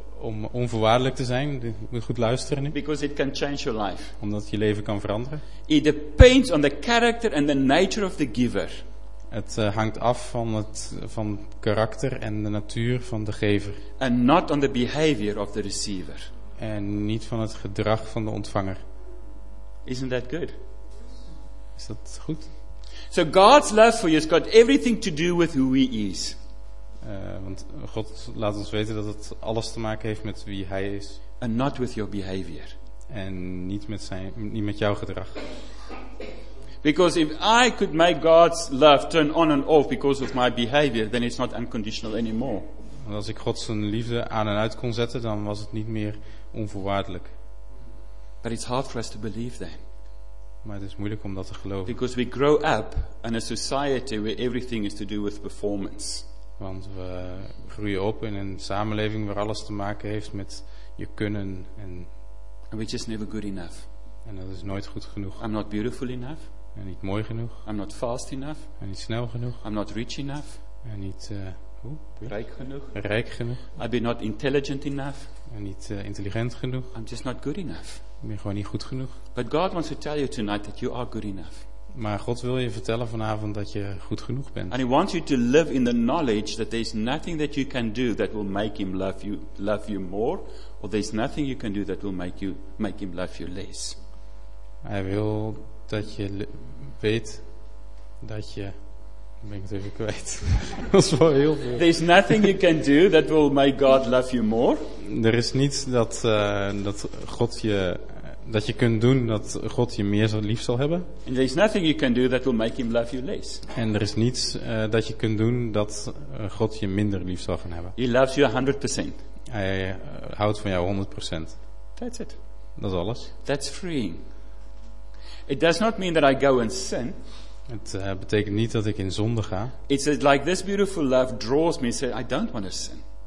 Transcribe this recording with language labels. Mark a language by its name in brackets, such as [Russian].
[Dutch] Om onvoorwaardelijk te zijn, je moet goed luisteren. Nu. [English] Because it can change your life. [Dutch] Omdat je leven kan veranderen. [English] It depends on the character and the nature of the giver. [Dutch] Het hangt af van karakter en de natuur van de gever. [English] And not on the behavior of the receiver. [Dutch] En niet van het gedrag van de ontvanger. [English] Isn't that good? [Dutch] Is dat goed? [English] So God's love for you has got everything to do with who He is. [Dutch] Want God laat ons weten dat het alles te maken heeft met wie Hij is. [English] And not with your behavior. [Dutch] En niet met jouw gedrag. [English] Because if I could make God's love turn on and off because of my behavior, then it's not unconditional anymore. [Dutch] Want als ik God zijn liefde aan en uit kon zetten, dan was het niet meer onvoorwaardelijk. [English] But it's hard for us to believe that. [Dutch] Maar het is moeilijk om dat te geloven. [English] Because we grow up in a society where everything is to do with performance. [Dutch] Want we groeien op in een samenleving waar alles te maken heeft met je kunnen en. [English] And we're just never good enough. [Dutch] En dat is nooit goed genoeg. [English] I'm not beautiful enough. [Dutch] En niet mooi genoeg. [English] I'm not fast enough. [Dutch] En niet snel genoeg. [English] I'm not rich enough. [Dutch] En niet rijk genoeg. Rijk genoeg. [English] I'm not intelligent enough. [Dutch] En niet intelligent genoeg. [English] I'm just not good enough. [Dutch] Ik ben gewoon niet goed genoeg. [English] But God wants to tell you tonight that you are good enough. [Dutch] Maar God wil je vertellen vanavond dat je goed genoeg bent. [English] And he wants you to live in the knowledge that there's nothing that you can do that will make him love you more, or there's nothing you can do that will make him love you less. [Dutch] Hij wil dat je weet dat je. Ik ben het even kwijt. Dat is wel heel veel. [English] There's nothing you can do that will make God love you more. [Dutch] Er is niets dat God je dat je kunt doen dat God je meer lief zal hebben. [English] And there's nothing you can do that will make him love you less. [Dutch] En er is niets dat je kunt doen dat God je minder lief zal gaan hebben. [English] He loves you 100%. [Dutch] Hij houdt van jou 100%. [English] That's it. [Dutch] Dat is alles. [English] That's freeing. It does not mean that I go and sin. [Dutch] Het betekent niet dat ik in zonde ga. [English] It's like this beautiful love draws me and says, I don't want to sin.